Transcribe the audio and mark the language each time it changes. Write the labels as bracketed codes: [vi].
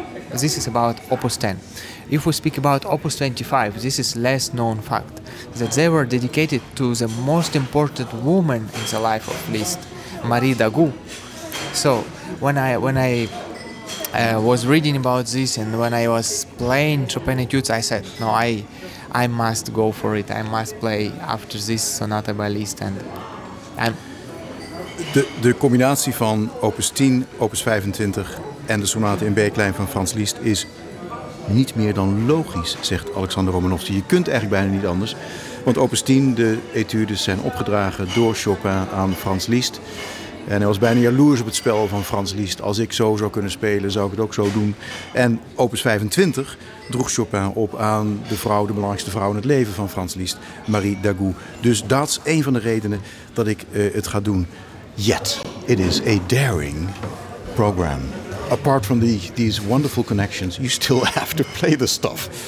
[en] This is about Opus 10. If we speak about Opus 25, this is less known fact, that they were dedicated to the most important woman in the life of Liszt, Marie Dagu. So when I was reading about this, and when I was playing Chopin etudes, I said, no, I must go for it. I must play after this sonata by Liszt. [nl] De combinatie van Opus 10, Opus 25 en de sonate in B-klein van Franz Liszt is niet meer dan logisch, zegt Alexander Romanowski. Je kunt eigenlijk bijna niet anders. Want Opus 10, de etudes, zijn opgedragen door Chopin aan Franz Liszt. En hij was bijna jaloers op het spel van Franz Liszt. Als ik zo zou kunnen spelen, zou ik het ook zo doen. En Opus 25 droeg Chopin op aan de vrouw, de belangrijkste vrouw in het leven van Franz Liszt, Marie Dagu. Dus dat is een van de redenen dat ik het ga doen. [en] Yet, it is a daring program. Apart from these wonderful connections, you still have to play the stuff.